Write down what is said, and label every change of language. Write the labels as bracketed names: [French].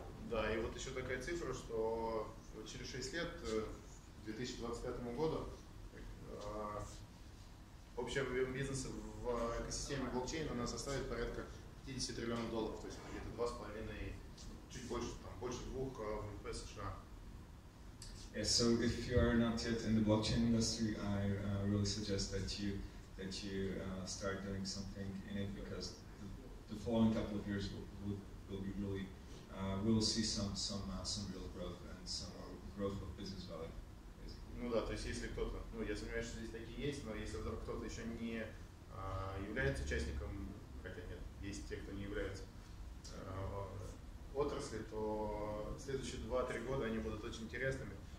[Russian] Да, и вот еще такая цифра, что через 6 лет, к 2025 году, общий объем бизнеса в экосистеме блокчейна у нас составит порядка 50 триллионов долларов, то есть где-то 2,5, чуть больше, там, больше 2 ВВП США. [English] Yes, so if you are not yet in the blockchain industry, I really suggest that you start doing something in it, because the following couple of years will be really we'll see some real growth and some growth of business value. [Russian] Ну да, то есть если кто-то, ну я сомневаюсь, что здесь такие есть, но если вдруг кто-то еще не является участником, хотя нет, есть те, кто не является отрасли, то следующие 2-3 года они будут очень интересными.